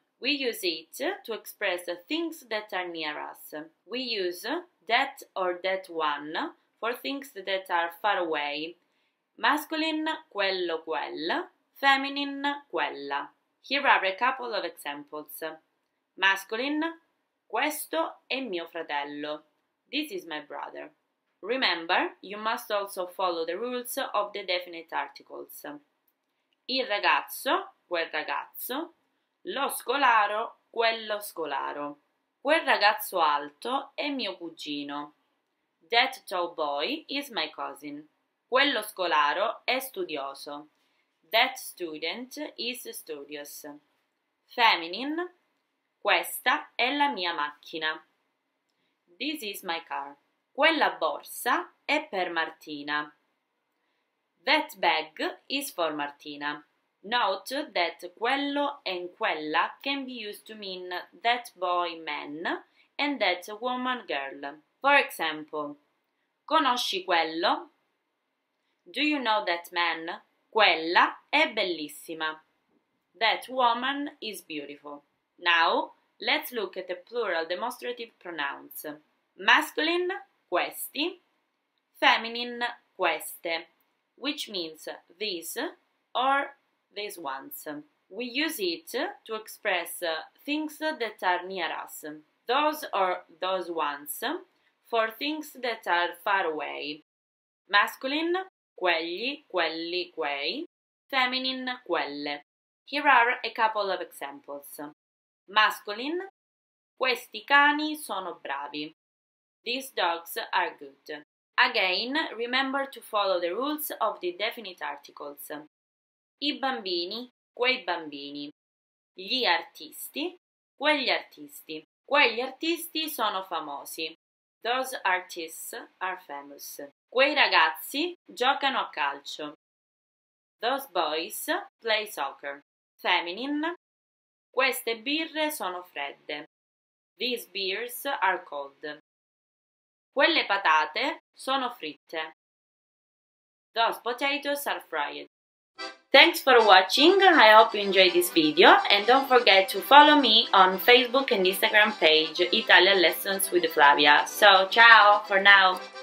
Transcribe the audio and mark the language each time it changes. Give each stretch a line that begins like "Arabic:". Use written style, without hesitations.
English: We use it to express the things that are near us. We use that or that one for things that are far away. Masculine, quello, quel. Feminine, quella. Here are a couple of examples.
Italian: Masculine, questo è mio fratello.
English: This is my brother. Remember, you must also follow the rules of the definite articles.
Italian: Il ragazzo, quel ragazzo. Lo scolaro, quello scolaro. Quel ragazzo alto è mio cugino.
English: That tall boy is my cousin.
Italian: Quello scolaro è studioso.
English: That student is studious. Feminine.
Italian: Questa è la mia macchina.
English: This is my car.
Italian: Quella borsa è per Martina.
English: That bag is for Martina. Note that quello and quella can be used to mean that boy man and that woman girl. For example,
Italian: conosci quello?
English: Do you know that man?
Italian: Quella è bellissima.
English: That woman is beautiful. Now, let's look at the plural demonstrative pronouns. Masculine, questi. Feminine, queste. Which means this or these ones. We use it to express things that are near us. Those or those ones for things that are far away. Masculine, quegli, quelli, quei. Feminine, quelle. Here are a couple of examples.
Italian: Masculine, questi cani sono bravi.
English: These dogs are good. Again, remember to follow the rules of the definite articles.
Italian: I bambini, quei bambini. Gli artisti. Quegli artisti sono famosi.
English: Those artists are famous.
Italian: Quei ragazzi giocano a calcio.
English: Those boys play soccer. Feminine.
Italian: Queste birre sono fredde.
English: These beers are cold.
Italian: Quelle patate sono fritte.
English: Those potatoes are fried. Thanks for watching. I hope you enjoyed this video. And don't forget to follow me on Facebook and Instagram page, Italian Lessons with Flavia. So, ciao for now.